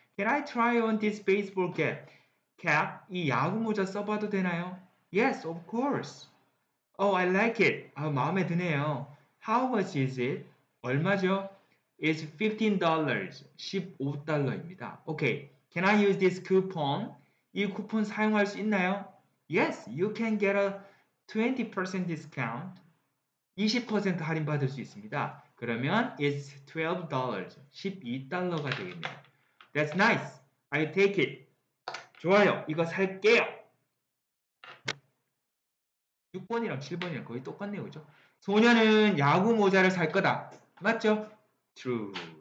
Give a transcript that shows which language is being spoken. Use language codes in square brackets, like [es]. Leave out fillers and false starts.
[en] Can I try on this baseball cap? [ko] 캡, 이 야구 모자 써봐도 되나요? [en] Yes, of course. Oh, I like it. [ko] 아, 마음에 드네요. [en] How much is it? [ko] 얼마죠? [en] It's $15. [ko] 15달러입니다. [en] Okay, can I use this coupon? [ko] 이 쿠폰 사용할 수 있나요? [en] Yes, you can get a 20% discount. [ko] 20% 할인 받을 수 있습니다. [en] 그러면 it's $12. [ko] 12달러가 되겠네요. [en] That's nice. I take it. [ko] 좋아요. 이거 살게요. 6번이랑 7번이랑 거의 똑같네요. 그죠? 소녀는 야구 모자를 살 거다. 맞죠? [en] True.